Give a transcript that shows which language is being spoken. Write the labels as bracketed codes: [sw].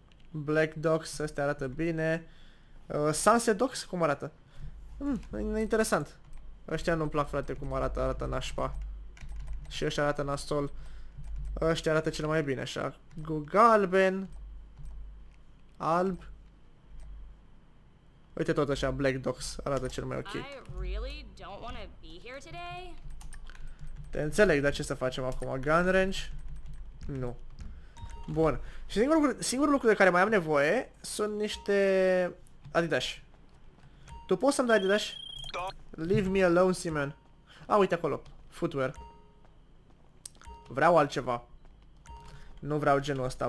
[ro] Black Docks, ăstea arată bine. Sunset Docks, cum arată? Interesant. Ăștia nu-mi plac, frate, cum arată, arată nașpa. Și ăștia arată nasol. Ăștia arată cel mai bine, așa. Galben. Alb. Uite tot așa, Black Docks arată cel mai ok. [en] I really don't wanna be here today. [ro] Te înțeleg, dar ce să facem acum? Gun range? Nu. Bun. Și singurul lucru de care mai am nevoie sunt niște Adidas. Tu poți să-mi dai Adidas? [en] Leave me alone, Simon. [ro] A, uite acolo. Footwear. Vreau altceva. Nu vreau genul ăsta.